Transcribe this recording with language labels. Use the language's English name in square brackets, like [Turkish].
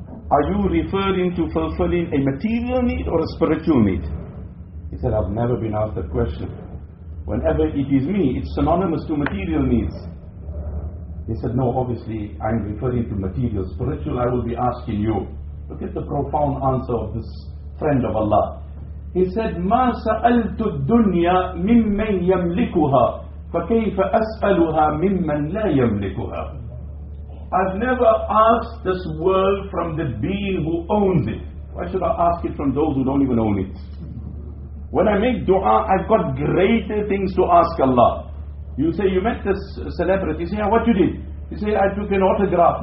[English] Are you referring to fulfilling a material need or a spiritual need? He said, I've never been asked that question. Whenever it is me, it's synonymous to material needs. He said, no, obviously, I'm referring to material. Spiritual, I will be asking you. Look at the profound answer of this friend of Allah. He said, [Arabic] مَا سَأَلْتُ الدُّنْيَا مِمَّنْ يَمْلِكُهَا فَكَيْفَ أَسْأَلُهَا مِمَّنْ لَا يَمْلِكُهَا. [English] I've never asked this world from the being who owns it. Why should I ask it from those who don't even own it? When I make dua, I've got greater things to ask Allah. You say, you met this celebrity. You say, yeah, what you did? You say, I took an autograph.